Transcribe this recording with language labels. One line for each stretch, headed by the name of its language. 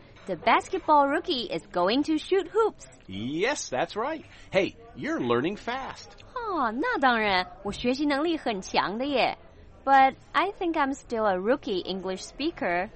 English: The basketball rookie is going to shoot hoops. Yes, that's right. Hey, you're learning fast.
Chinese: 那当然，我学习能力很强的耶。
English: But I think I'm still a rookie English speaker.